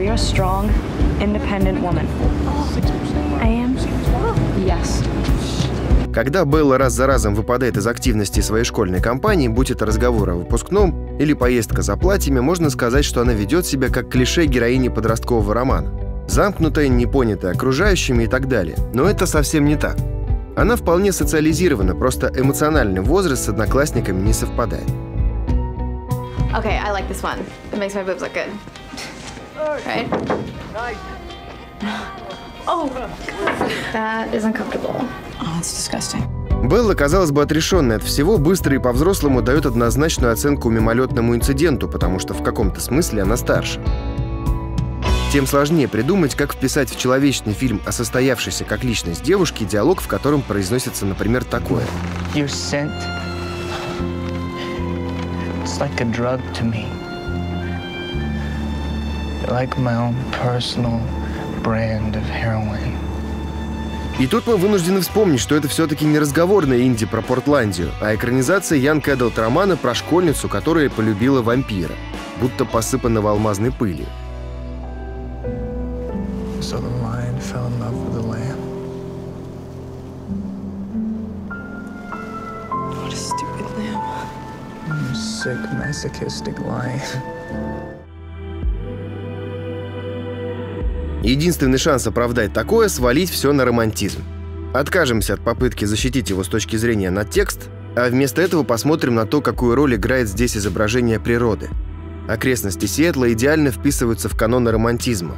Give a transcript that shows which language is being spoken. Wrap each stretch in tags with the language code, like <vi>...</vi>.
<en>You're a strong, independent woman. I am. Yes.</en> <ru>Когда Белла раз за разом выпадает из активности своей школьной компании, будь это разговор о выпускном или поездка за платьями, можно сказать, что она ведет себя как клише героини подросткового романа. Замкнутая, непонятая окружающими и так далее. Но это совсем не так. Она вполне социализирована, просто эмоциональный возраст с одноклассниками не совпадает.</ru> <en>Okay, I like this one. It makes my boobs look good. Right? Oh, that is uncomfortable. Oh, it's disgusting.</en> <ru>Белла, казалось бы, отрешенная от всего, быстро и по-взрослому дает однозначную оценку мимолетному инциденту, потому что в каком-то смысле она старше. Тем сложнее придумать, как вписать в человечный фильм о состоявшейся как личность девушки диалог, в котором произносится, например, такое.</ru> <en>Your scent. It's like a drug to me. Like my own personal brand of heroin.</en> <ru>И тут мы вынуждены вспомнить, что это все-таки не разговорная инди про Портландию, а экранизация Young Adult романа про школьницу, которая полюбила вампира, будто посыпанного алмазной пылью.</ru> <en>So the lion fell in love with the lamb. What a stupid lamb. I'm a sick masochistic lion.</en> <ru>Единственный шанс оправдать такое – свалить все на романтизм. Откажемся от попытки защитить его с точки зрения на текст, а вместо этого посмотрим на то, какую роль играет здесь изображение природы. Окрестности Сиэтла идеально вписываются в каноны романтизма.</ru>